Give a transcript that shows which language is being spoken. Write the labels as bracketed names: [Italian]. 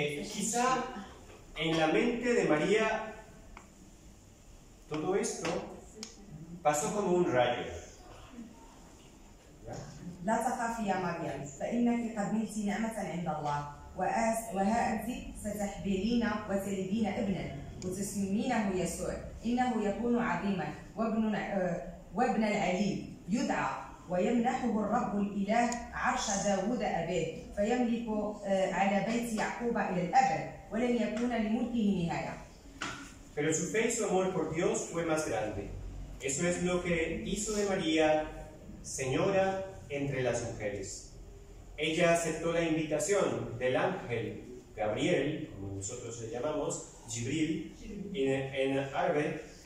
[Spanish] Quizá en la mente de María todo esto pasó como un rayo. [Arabic] لا تخافي يا مريم فإنك قبلت نعمة عند الله وها أنت ستحبلين وتلدين ابنا وتسمينه يسوع إنه يكون عظيما وابن العليم يدعى ويمنحه الرب الإله عرش داود أباه فيملك على بيت يعقوب إلى الأبد ولن يكون لملكه نهاية. [Spanish] Pero su fe y su amor por Dios fue más grande. Eso es lo que hizo de María señora entre las mujeres. Ella aceptó la invitación del ángel Gabriel, como nosotros le llamamos, Jibril, en árabe.